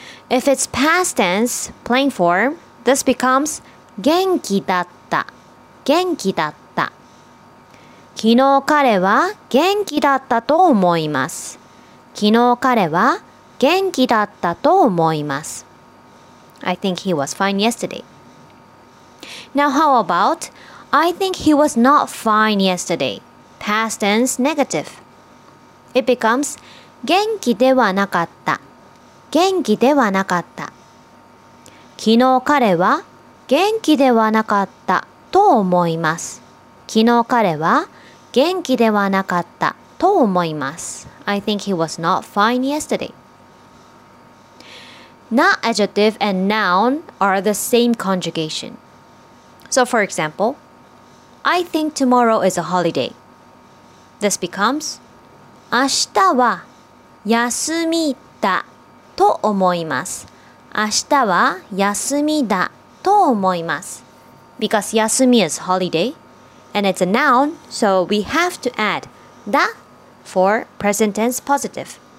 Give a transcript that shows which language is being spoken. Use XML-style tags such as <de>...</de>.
<en>If it's past tense, plain form, this becomes</en> <ja>元気だった。元気だった。昨日彼は元気だったと思います。昨日彼は元気だったと思います。</ja> <en>I think he was fine yesterday. Now how about, I think he was not fine yesterday. Past tense negative. It becomes,</en> <ja>元気ではなかった。元気ではなかった。昨日彼は元気ではなかったと思います。昨日彼は元気ではなかったと思います。</ja> <en>I think he was not fine yesterday. Na adjective and noun are the same conjugation. So for example, I think tomorrow is a holiday. This becomes</en> <ja>明日は休みだと思います。明日は休みだと思います。</ja> <en>Because 休み is holiday and it's a noun, so we have to add だ for present tense positive.</en>